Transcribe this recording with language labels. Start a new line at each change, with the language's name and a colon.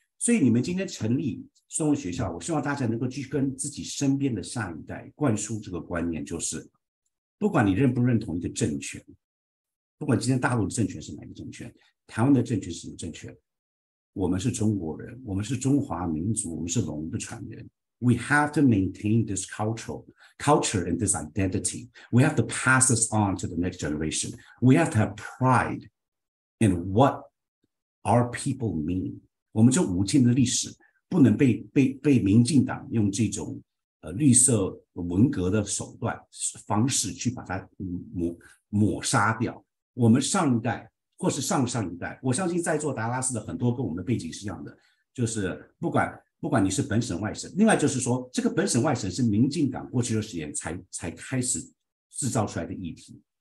Chinese: 所以你们今天成立松文学校，我希望大家能够去跟自己身边的下一代灌输这个观念，就是不管你认不认同一个政权，不管今天大陆的政权是哪个政权，台湾的政权是什么政权，我们是中国人，我们是中华民族，我们是龙的传人。
English: We have to maintain this culture and this identity. We have to pass this on to the next generation. We have to have pride in what our people mean.
Chinese: 我们这五千的历史不能被民进党用这种绿色文革的手段方式去把它抹杀掉。我们上一代或是上上一代，我相信在座达拉斯的很多跟我们的背景是一样的，就是不管你是本省外省，另外就是说这个本省外省是民进党过去的时间才开始制造出来的议题。